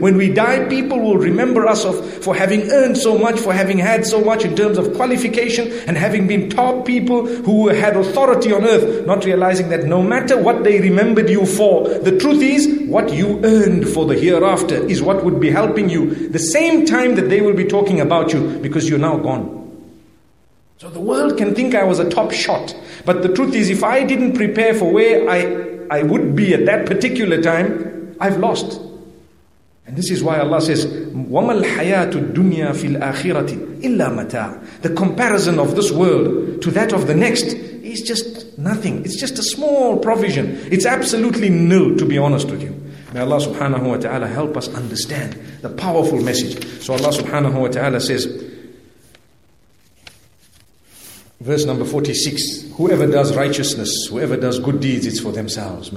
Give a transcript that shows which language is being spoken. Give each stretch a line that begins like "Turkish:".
English: When we die, people will remember us for having earned so much, for having had so much in terms of qualification and having been top people who had authority on earth, not realizing that no matter what they remember you for, the truth is what you earned for the hereafter is what would be helping you the same time that they will be talking about you, because you're now gone. So the world can think I was a top shot, but the truth is if I didn't prepare for where I would be at that particular time, I've lost.
Arabic: And this is why Allah says, وَمَا الْحَيَاةُ الدُّنْيَا فِي الْآخِرَةِ إِلَّا مَتَاعٌ.
English: The comparison of this world to that of the next is just nothing. It's just a small provision. It's absolutely nil, to be honest with you. May Allah subhanahu wa ta'ala help us understand the powerful message. So Allah subhanahu wa ta'ala says, verse number 46, whoever does righteousness, whoever does good deeds, it's for themselves.